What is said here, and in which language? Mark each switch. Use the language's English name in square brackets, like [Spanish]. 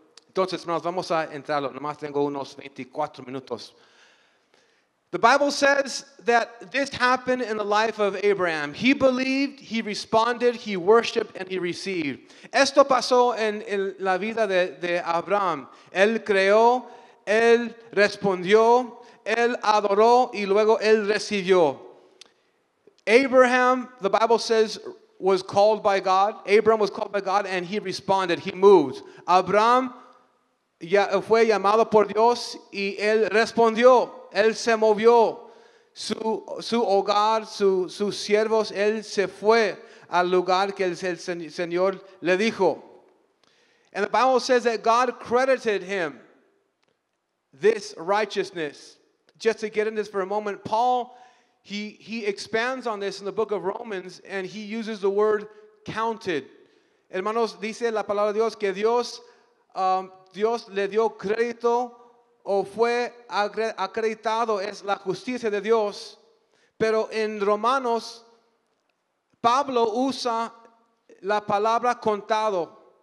[Spanish] Entonces, hermanos, vamos a entrarlo. Nomás tengo unos 24 minutos. [English] The Bible says that this happened in the life of Abraham. He believed, he responded, he worshiped, and he received. [Spanish] Esto pasó en la vida de Abraham. Él creó, él respondió, él adoró, y luego él recibió. [English] Abraham, the Bible says, was called by God. Abraham was called by God, and he responded. He moved. [Spanish] Abraham ya fue llamado por Dios, y él respondió. Él se movió. Su hogar, sus siervos, él se fue al lugar que el Señor le dijo. [English] And the Bible says that God credited him this righteousness. Just to get into this for a moment, Paul, he expands on this in the book of Romans, and he uses the word counted. [Spanish] Hermanos, dice la palabra de Dios que Dios le dio crédito o fue acreditado, es la justicia de Dios. Pero en Romanos, Pablo usa la palabra contado.